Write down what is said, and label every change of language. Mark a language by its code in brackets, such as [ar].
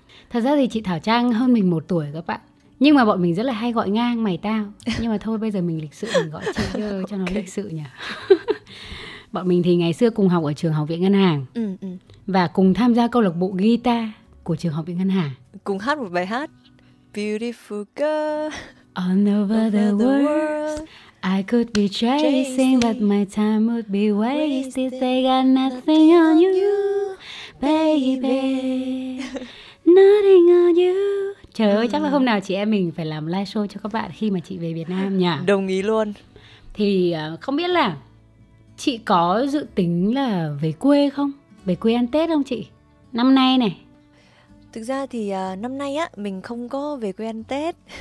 [vi] Thật ra thì chị Thảo Trang hơn mình 1 tuổi các bạn. Nhưng mà bọn mình rất là hay gọi ngang mày tao. Nhưng mà thôi bây giờ mình lịch sự, mình gọi chị cho okay. Nó lịch sự nhỉ. Bọn mình thì ngày xưa cùng học ở trường Học viện Ngân hàng. Và cùng tham gia câu lạc bộ guitar của trường Học viện Ngân hàng. Cùng hát một bài hát Beautiful Girl [en] All over the world I could be chasing but my time would be wasted. They got nothing on you baby. Nothing on you. [vi] Trời ơi, chắc là hôm nào chị em mình phải làm live show cho các bạn khi mà chị về Việt Nam nhỉ? Đồng ý luôn. Thì không biết là chị có dự tính là về quê không? Về quê ăn Tết không chị? Năm nay này. Thực ra thì năm nay á, mình không có về quê ăn Tết.